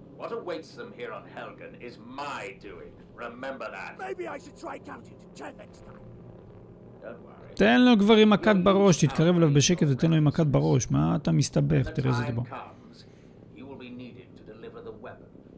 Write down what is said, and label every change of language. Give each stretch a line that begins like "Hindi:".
English: What awaits them here on Helgen is my doing. Remember that. Maybe I should try counting to 10 next time. Don't worry.
Hebrew: תן לו כבר עם הקד בראש, תתקרב אליו בשקט ותן לו עם הקד בראש. מה אתה מסתבך? תראה איזה דבר.
English: You will be needed to deliver the weapon.